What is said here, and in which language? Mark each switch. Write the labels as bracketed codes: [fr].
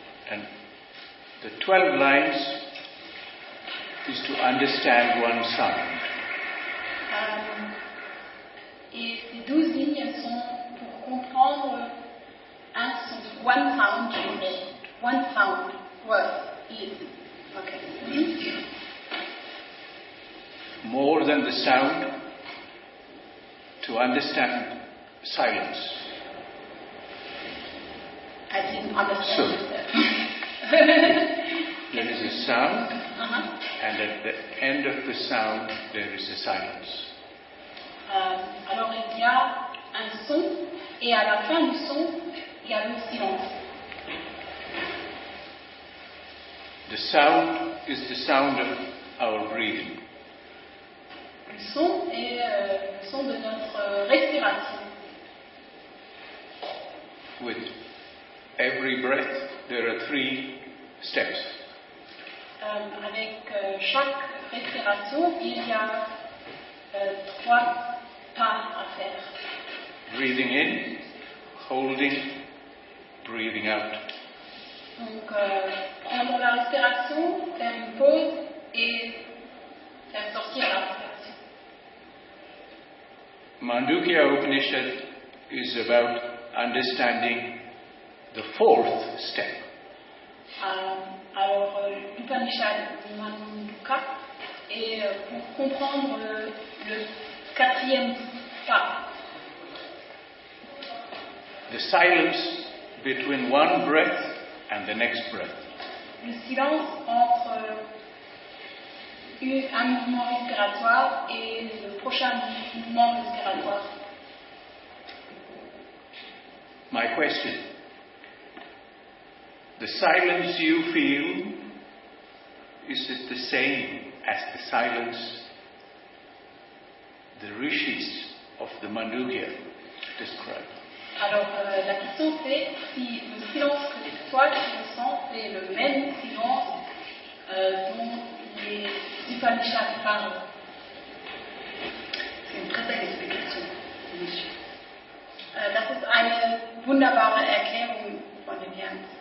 [en] And the 12 lines is to understand one sound. [fr] Et les 12 lignes sont pour comprendre un son. [en] One sound. One sound. Word. Okay. Mm-hmm. More than the sound. To understand silence. I didn't understand. So, there is a sound, and at the end of the sound, there is a silence. [fr] Alors il y a un son, et à la fin du son, il y a le silence. [en] The sound is the sound of our breathing. [fr] Le son est le son de notre respiration. [en] With every breath, there are three steps. [fr] Avec chaque respiration, il y a trois pas à faire. [en] Breathing in, holding, breathing out. [fr] Donc, prendre la respiration, faire une pause et faire sortir la respiration. [en] Mandukya Upanishad is about understanding the fourth step. [fr] Upanishad Mandukya est pour comprendre le quatrième pas. [en] The silence between one breath and the next breath. [fr] Le silence entre un mouvement respiratoire et le prochain mouvement respiratoire. [en] My question. The silence you feel, is it the same as the silence the rishis of the Mandukya describe? [fr] Alors, la question c'est si le silence que toi tu ressens est le même silence dont les Upanishads parlent. C'est une très belle explication, monsieur. [de] Das ist eine wunderbare Erklärung von dem Herrn.